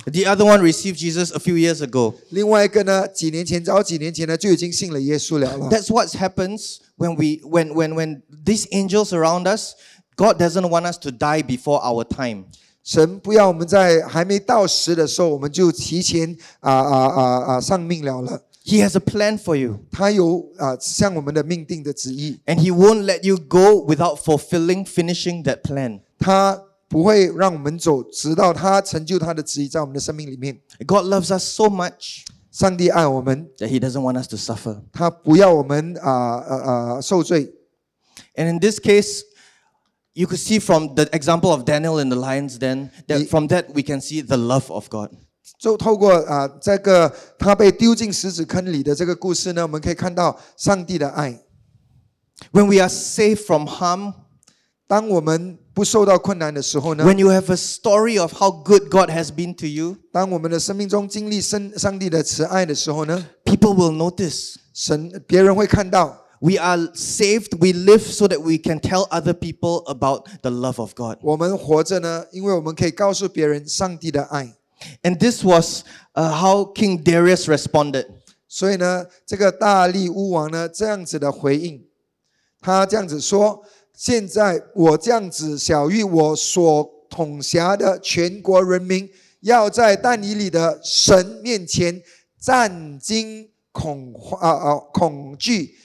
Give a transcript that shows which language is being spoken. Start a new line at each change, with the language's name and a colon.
English: The other one received Jesus a few years ago.
Chinese: 另外一个呢，几年前，早几年前呢，就已经信了耶稣了。
English: That's what happens when these angels around us, God doesn't want us to die before our time.
Chinese: 神不要我们在还没到时的时候，我们就提前丧命了。
English: He has a plan for you.
Chinese: 他有向我们的命定的旨意。
English: And he won't let you go without fulfilling, finishing that plan.
Chinese: 他不会让我们走，直到他成就他的旨意在我们的生命里面。
English: God loves us so much.
Chinese: 上帝爱我们。
English: That he doesn't want us to suffer.
Chinese: 他不要我们受罪。
English: And in this case, You could see from the example of Daniel in the lion's den that from that we can see the love of God.
Chinese: 就透过啊这个他被丢进狮子坑里的这个故事呢，我们可以看到上帝的爱。
English: When we are safe from harm,
Chinese: 当我们不受到困难的时候呢
English: ？When you have a story of how good God has been to you,
Chinese: 当我们的生命中经历上帝的慈爱的时候呢
English: ？People will notice.
Chinese: 别人会看到。
English: We are saved. We live so that we can tell other people about the love of God.
Chinese: 我们活着呢，因为我们可以告诉别人上帝的爱。
English: And this was how King Darius responded.
Chinese: 所以呢，这个大力乌王呢，这样子的回应，他这样子说：现在我这样子小谕我所统辖的全国人民，要在但以理的神面前战惊恐惧。